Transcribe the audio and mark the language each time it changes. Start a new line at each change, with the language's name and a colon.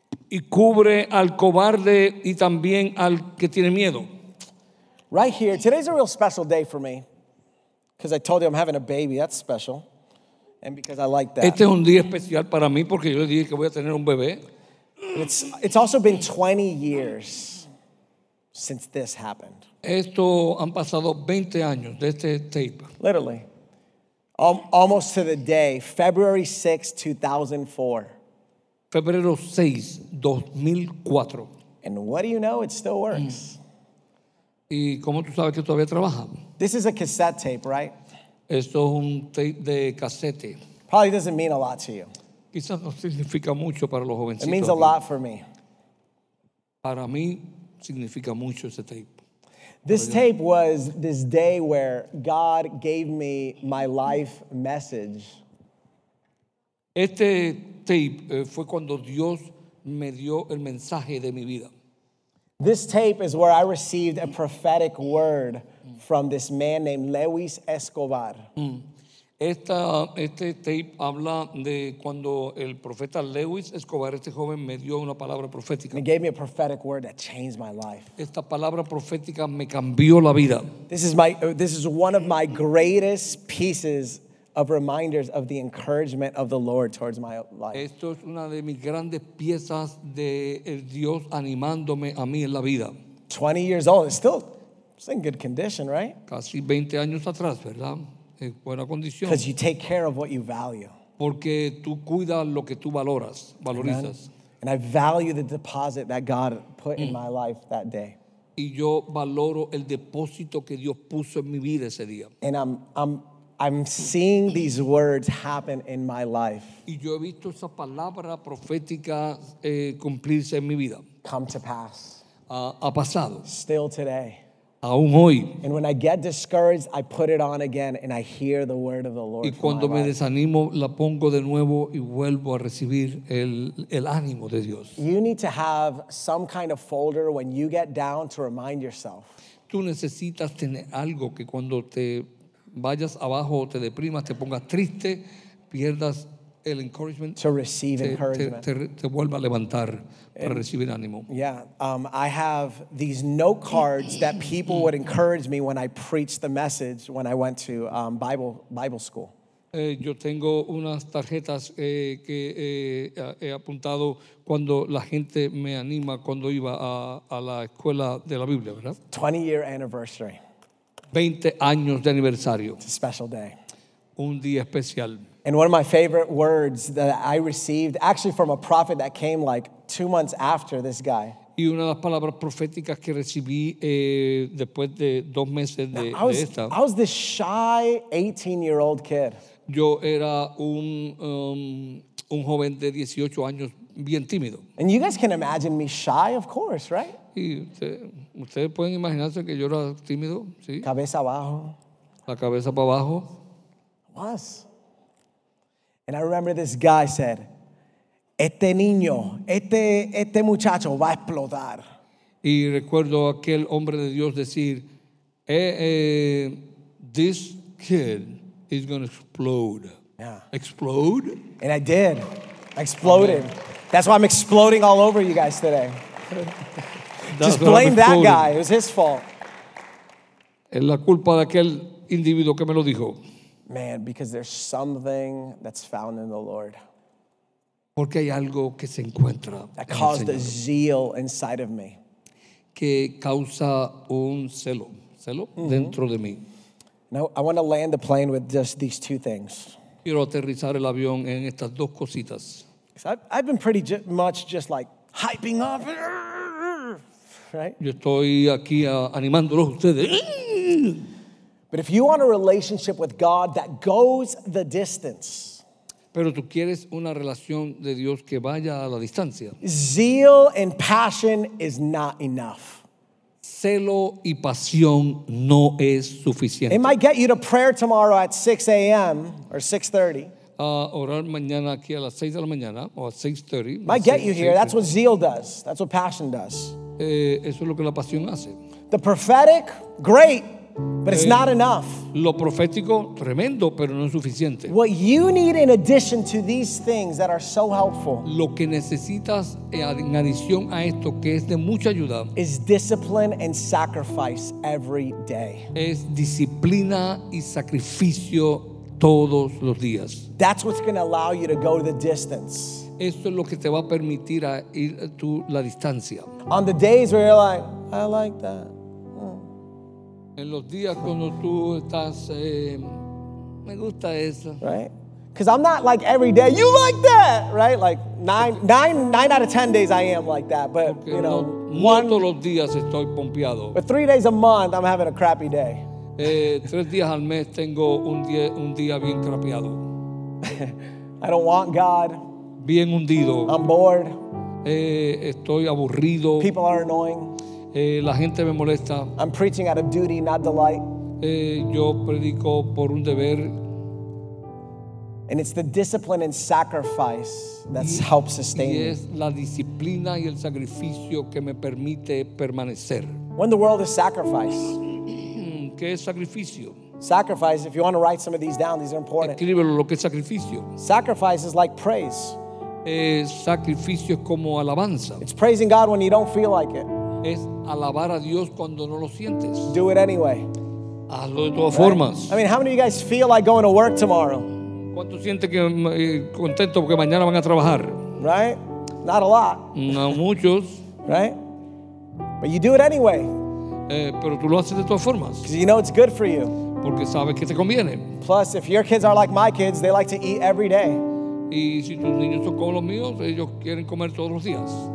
Spanish: Y cubre al cobarde y también al que tiene miedo.
English: Right here, today's a real special day for me. Because I told you I'm having a baby, that's special. And because I like that.
Spanish: Este es un día especial para mí porque yo le dije que voy a tener un bebé.
English: It's also been 20 years since this happened.
Spanish: Esto han pasado 20 años de este tape.
English: Literally. Almost to the day, February 6, 2004.
Spanish: Febrero 6, 2004.
English: And what do you know? It still works.
Spanish: ¿Y cómo tú sabes que todavía trabaja?
English: This is a cassette tape, right?
Spanish: Esto es un tape de casete.
English: Probably doesn't mean a lot to you.
Spanish: Quizás no significa mucho para los jovencitos.
English: It means a lot for me.
Spanish: Para mí significa mucho ese tape.
English: This tape was this day where God gave me my life message.
Spanish: Este tape fue cuando Dios me dio el mensaje de mi vida.
English: This tape is where I received a prophetic word from this man named Lewis Escobar.
Spanish: Este tape habla de cuando el profeta Lewis Escobar, este joven, me dio una palabra profética.
English: He gave me a prophetic word that changed my life.
Spanish: Esta palabra profética me cambió la vida.
English: This is one of my greatest pieces of reminders of the encouragement of the Lord towards my life.
Spanish: Esto es una de mis grandes piezas de Dios animándome a mí en la vida.
English: 20 years old, it's in good condition, right?
Spanish: Casi 20 años atrás, ¿verdad? Es buena condición.
English: Because you take care of what you value.
Spanish: Porque tú cuidas lo que tú valoras, valorizas.
English: Amen. And I value the deposit that God put in my life that day.
Spanish: Y yo valoro el depósito que Dios puso en mi vida ese día.
English: And I'm seeing these words happen in my life.
Spanish: Y yo he visto esa palabra profética cumplirse en mi vida.
English: Come to pass.
Spanish: Ha pasado.
English: Still today.
Spanish: Aún hoy.
English: And when I get discouraged, I put it on again and I hear the word of the Lord.
Spanish: Y cuando me desanimo, la pongo de nuevo y vuelvo a recibir el ánimo de Dios.
English: You need to have some kind of folder when you get down to remind yourself.
Spanish: Tú necesitas tener algo que cuando te vayas abajo o te deprimas, te pongas triste, pierdas el encouragement.
English: To receive encouragement.
Spanish: Te vuelva a levantar para recibir ánimo.
English: Yeah, I have these note cards that people would encourage me when I preached the message when I went to Bible school.
Spanish: Yo tengo unas tarjetas que he apuntado cuando la gente me anima cuando iba a la escuela de la Biblia, ¿verdad?
English: 20 year anniversary.
Spanish: 20 años de aniversario.
English: It's a special day.
Spanish: Un día especial.
English: And one of my favorite words that I received actually from a prophet that came like 2 months after this guy.
Spanish: Y una de las palabras proféticas que recibí después de dos meses de,
English: now,
Spanish: de esta.
English: I was this shy 18-year-old kid.
Spanish: Yo era un joven de 18 años bien tímido.
English: And you guys can imagine me shy, of course, right?
Spanish: Y ustedes pueden imaginarse que yo era tímido, ¿sí? Cabeza abajo. La cabeza para abajo.
English: Was. And I remember this guy said,
Spanish: este niño, este muchacho va a explotar. Y recuerdo aquel hombre de Dios decir,
English: this kid is going to explode. Yeah. Explode? And I did. I exploded. Amen. That's why I'm exploding all over you guys today. Just blame that guy. It was his fault.
Spanish: Es la culpa de aquel individuo que me lo dijo.
English: Man, because there's something that's found in the Lord.
Spanish: Porque hay algo que se encuentra.
English: That caused a zeal inside of me.
Spanish: Que causa un celo. Celo dentro de mí.
English: Now, I want to land the plane with just these two things.
Spanish: Quiero aterrizar el avión en estas dos cositas.
English: I've been pretty much just like hyping up. right?
Spanish: Yo estoy aquí animándolos ustedes.
English: But if you want a relationship with God that goes the distance,
Spanish: pero tú quieres una relación de Dios que vaya a la distancia,
English: zeal and passion is not enough.
Spanish: Celo y pasión no es suficiente.
English: It might get you to prayer tomorrow at 6 a.m. or 6:30.
Spanish: Orar mañana aquí a las 6 de la mañana o a 6:30.
English: Might get you here. That's what zeal does. That's what passion does.
Spanish: Eso es lo que la pasión hace.
English: The prophetic, great, but it's not enough.
Spanish: Lo profético, tremendo, pero no es suficiente.
English: What you need in addition to these things that are so helpful,
Spanish: lo que necesitas en adición a esto que es de mucha ayuda,
English: is discipline and sacrifice every day.
Spanish: Es disciplina y sacrificio todos los días.
English: That's what's going to allow you to go the distance.
Spanish: Esto es lo que te va a permitir a ir tú la distancia.
English: On the days where you're like, I like that.
Spanish: En los días cuando tú estás, me gusta eso.
English: Right? Because I'm not like every day, you like that, right? Like nine out of 10 days I am like that, but you know.
Spanish: No todos los días estoy pompeado.
English: But 3 days a month I'm having a crappy day.
Spanish: Tres días al mes tengo un día bien crapeado.
English: I don't want God.
Spanish: Bien hundido.
English: I'm bored.
Spanish: Estoy aburrido.
English: People are annoying.
Spanish: La gente me molesta.
English: I'm preaching out of duty, not delight.
Spanish: Yo predico por un deber.
English: And it's the discipline and sacrifice that helps sustain me.
Spanish: Y es la disciplina y el sacrificio que me permite permanecer.
English: When the world is sacrifice.
Spanish: ¿Qué es sacrificio?
English: Sacrifice, if you want to write some of these down, these are important.
Spanish: Escríbelo, lo que es sacrificio.
English: Sacrifice is like praise.
Spanish: Sacrificio es como alabanza.
English: It's praising God when you don't feel like it.
Spanish: Es alabar a Dios cuando no lo sientes.
English: Do it anyway.
Spanish: Hazlo de todas formas.
English: I mean, how many of you guys feel like going to work tomorrow?
Spanish: ¿Cuánto sienten que contento porque mañana van a trabajar?
English: Right? Not a lot.
Spanish: No muchos.
English: Right? But you do it anyway.
Spanish: Pero tú lo haces de todas formas.
English: Because you know it's good for you.
Spanish: Porque sabes que te conviene.
English: Plus, if your kids are like my kids, they like to eat every day.
Spanish: Y si tus niños son como los míos, ellos quieren comer todos los días.